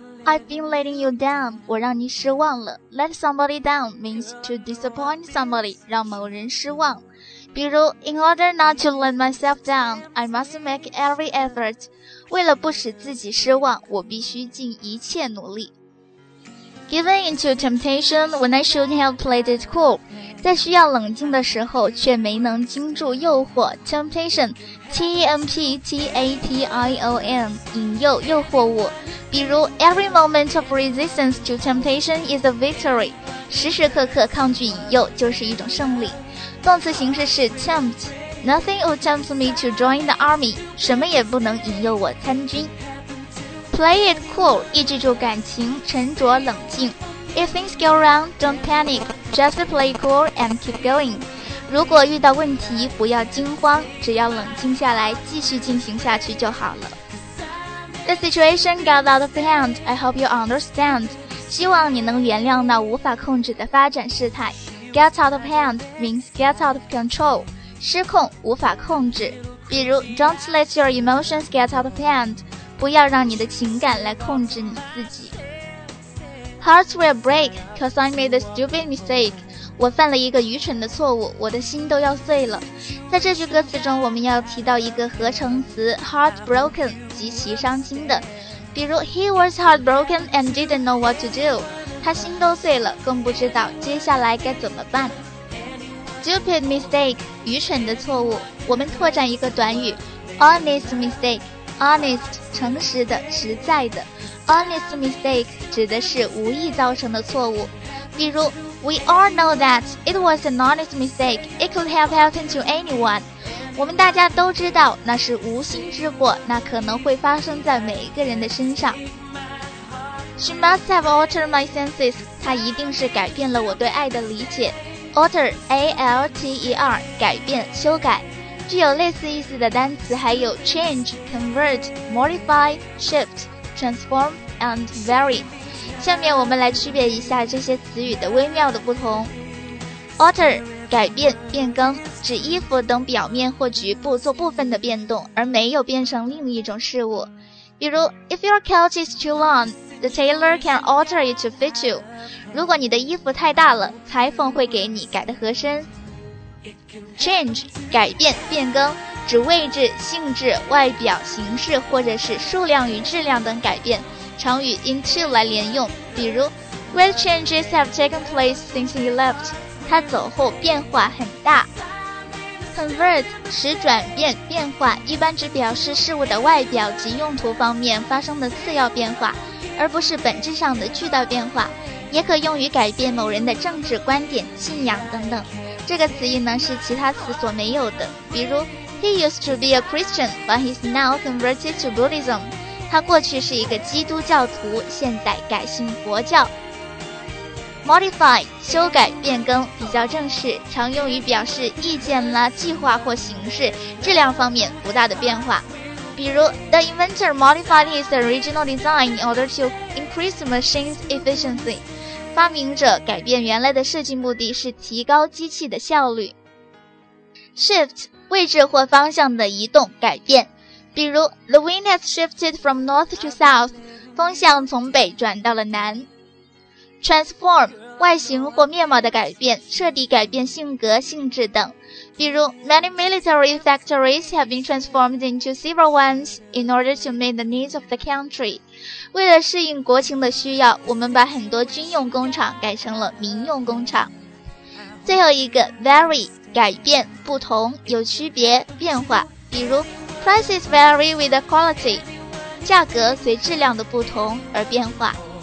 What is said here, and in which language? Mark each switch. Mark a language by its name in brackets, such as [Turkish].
[English] I've been letting you down. [Chinese] 我让你失望了。 [English] Let somebody down means to disappoint somebody. [Chinese] 让某人失望。比如 [English] In order not to let myself down, I must make every effort. [Chinese] 为了不使自己失望，我必须尽一切努力。 [English] Giving into temptation when I should have played it cool. [Chinese] 在需要冷静的时候却没能经住诱惑 Temptation T-E-M-P-T-A-T-I-O-N 引诱诱惑物比如 [English] Every moment of resistance to temptation is a victory [Chinese] 时时刻刻抗拒引诱就是一种胜利动词形式是 tempt [English] Nothing will tempt me to join the army [Chinese] 什么也不能引诱我参军 [English] Play it cool, [Chinese] 抑制住感情,沉着冷静。 [English] If things go wrong, don't panic, just play cool and keep going. [Chinese] 如果遇到问题,不要惊慌,只要冷静下来,继续进行下去就好了。 [English] The situation got out of hand, I hope you understand. [Chinese] 希望你能原谅那无法控制的发展事态。 [English] Get out of hand means get out of control, [Chinese] 失控,无法控制。比如 [English] don't let your emotions get out of hand, [Chinese] 不要让你的情感来控制你自己。 [English] Hearts will break, cause I made a stupid mistake. [Chinese] 我犯了一个愚蠢的错误，我的心都要碎了。在这句歌词中，我们要提到一个合成词 heartbroken, 极其伤心的。 [English] 比如 He was heartbroken and didn't know what to do. [Chinese] 他心都碎了，更不知道接下来该怎么办。 Stupid mistake, 愚蠢的错误。我们拓展一个短语 Honest mistake. Honest, 诚实的,实在的。Honest mistake, 指的是无意造成的错误。 [English] 比如 ,We all know that it was an honest mistake, it could have happened to anyone. [Chinese] 我们大家都知道那是无心之过那可能会发生在每一个人的身上。 [English] She must have altered my senses, [Chinese] 她一定是改变了我对爱的理解。 Alter, A-L-T-E-R, 改变,修改。具有类似意思的单词还有 change, convert, modify, shift, transform, and vary. 下面我们来区别一下这些词语的微妙的不同。 Alter, 改变、变更，指衣服等表面或局部做部分的变动，而没有变成另一种事物。 [English] 比如 ,If your coat is too long, the tailor can alter it to fit you. [Chinese] 如果你的衣服太大了，裁缝会给你改得合身。 Change, 改变、变更，指位置、性质、外表、形式或者是数量与质量等改变，常与 into 来连用。 [English] 比如 Great changes have taken place since he left. [Chinese] 他走后变化很大。 Convert, 使转变、变化，一般只表示事物的外表及用途方面发生的次要变化，而不是本质上的巨大变化，也可用于改变某人的政治观点、信仰等等。这个词义呢是其他词所没有的，比如 [English] He used to be a Christian, but he's now converted to Buddhism. [Chinese] 他过去是一个基督教徒，现在改信佛教。 Modify, 修改、变更，比较正式，常用于表示意见啦、计划或形式、质量方面不大的变化。 [English] 比如 The inventor modified his original design in order to increase the machine's efficiency. [Chinese] 发明者改变原来的设计目的是提高机器的效率。 Shift, 位置或方向的移动、改变。比如 [English] The wind has shifted from north to south, [Chinese] 风向从北转到了南。 Transform, 外形或面貌的改变、彻底改变性格、性质等。 [English] 比如 Many military factories have been transformed into civil ones in order to meet the needs of the country. [Chinese] 为了适应国情的需要，我们把很多军用工厂改成了民用工厂。最后一个 vary, 改变、不同、有区别、变化。比如 [English] prices vary with the quality, [Chinese] 价格随质量的不同而变化。